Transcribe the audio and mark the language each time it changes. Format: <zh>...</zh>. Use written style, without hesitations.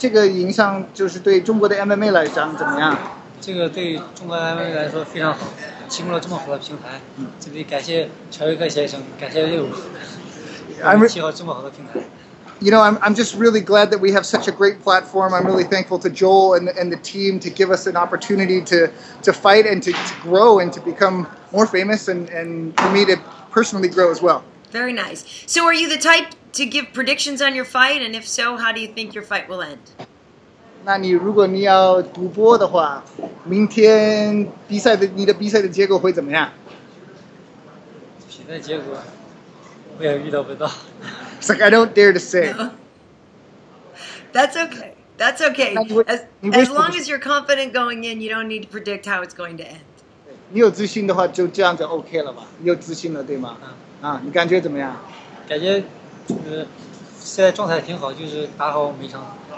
<zh>他说，当你知道在中国瑞武就是第一大的比赛，然后你也是越来越出名在这个联盟，你感觉这个影响就是对中国的 MMA 来讲怎么样？这个对中国 MMA 来说非常好，提供了这么好的平台。这里感谢乔威克先生，感谢六五，提供这么好的平台。</zh> <en>You know, I'm just really glad that we have such a great platform. I'm really thankful to Joel and the team to give us an opportunity to fight and to grow and to become more famous and for me to personally grow as well. Very nice. So, are you the type to give predictions on your fight? And if so, how do you think your fight will end?</en> <zh>那你如果你要赌博的话，明天比赛的结果会怎么样？比赛结果，我也预料不到。</zh> <en>It's like I don't dare to say. No. That's okay. That's okay. As long as you're confident going in, you don't need to predict how it's going to end.</en> <zh>你有自信的话，就这样就 OK 了吧？你有自信了，对吗？啊，你感觉怎么样？感觉就是现在状态挺好，就是打好每场。</zh>